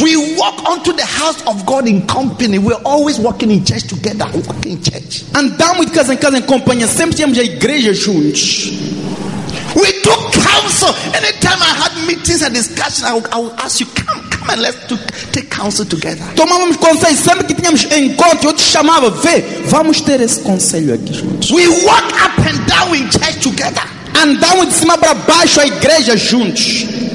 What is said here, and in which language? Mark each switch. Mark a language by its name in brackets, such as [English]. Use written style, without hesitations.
[English] We walk unto the house of God in company. We're always walking in church together. Walking in church. [Portuguese] Andamos de casa em casa em companhia. Sempre temos a igreja juntos. [English] We took counsel. Anytime I had meetings and discussions, I would ask you, come and let's take counsel together. [Portuguese] Tomamos conselho sempre que tínhamos encontro. Eu te chamava, vê, vamos ter esse conselho aqui juntos. [English] We walk up and down in church together. [Portuguese] Andamos de cima para baixo a igreja juntos.